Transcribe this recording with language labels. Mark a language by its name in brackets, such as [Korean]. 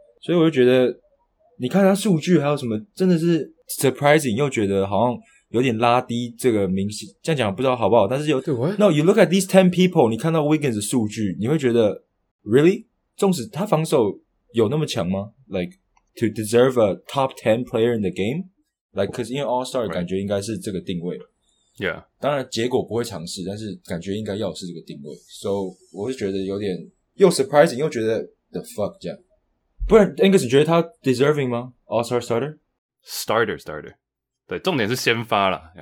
[Chinese] 所以我就觉得你看他数据还有什么真的是 surprising， 又觉得好像有点拉低这个明星，这样讲不知道好不好，但是有 [English] No, you look at these 10 people， [Chinese] 你看到 Wiggins 的数据你会觉得 [English] Really? [Chinese] 纵使他防守有那么强吗？ [English] Like to deserve a top 10 player in the game? Like cause [Chinese] 因为 All-Star 感觉应该是这个定位。 [English] Yeah. [Chinese] 当然结果不会尝试，但是感觉应该要是这个定位。 So, 我是觉得有点又 surprising 又觉得 [English] the fuck [Chinese] 这样。不然 Angus 你觉得他 deserving 吗？ [English] All-Star starter? Starter. [Chinese] 对，重点是先发啦。